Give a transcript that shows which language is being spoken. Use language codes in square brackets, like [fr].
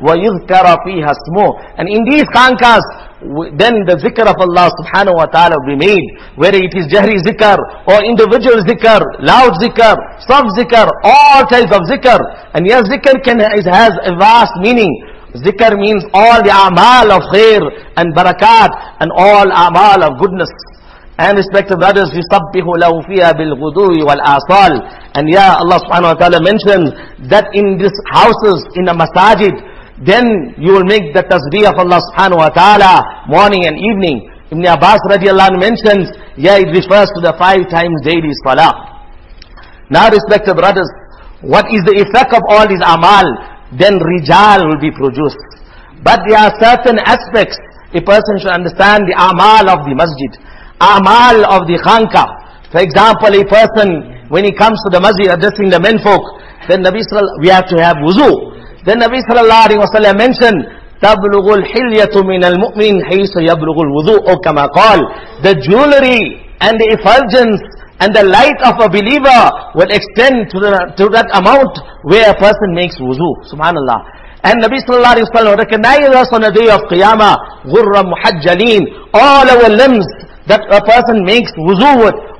[ar] وَيُذْكَرَ فِيهَا اسْمُ. [en] And in these khankas, then the zikr of Allah subhanahu wa ta'ala will be made. Whether it is jahri zikr, or individual zikr, loud zikr, soft zikr, all types of zikr. And yes, zikr has a vast meaning. Zikr means all the a'mal of khair and barakat and all a'mal of goodness. And respected brothers, [ar] يُصَبِّهُ لَهُ فِيهَا بِالْغُدُوِّ وَالْآصَالِ. [en] And yeah, Allah subhanahu wa ta'ala mentions that in these houses, in the masajid, then you will make the tasbih of Allah subhanahu wa ta'ala morning and evening. Ibn Abbas radiallahu anhu mentions, yeah, it refers to the five times daily salah. Now respected brothers, what is the effect of all these amal? Then rijal will be produced. But there are certain aspects a person should understand, the amal of the masjid, amal of the khanka. For example, a person, when he comes to the masjid addressing the menfolk, then Nabi sallallahu alayhi wa sallam, we have to have wuzu. Then Nabi sallallahu alayhi wa sallam mentioned, [ar] تَبْلُغُ الْحِلْيَةُ مِنَ الْمُؤْمِنِ حَيْسَ يَبْلُغُ الْوُضُوءُ أَوْ كَمَا قَالْ. [en] The jewelry and the effulgence and the light of a believer will extend to that amount where a person makes wuzu. Subhanallah. And Nabi sallallahu alayhi wa sallam recognized us on the day of qiyamah, [ar] غُرَّ مُحَجَّلِينَ. [en] All our limbs that a person makes wuzu with,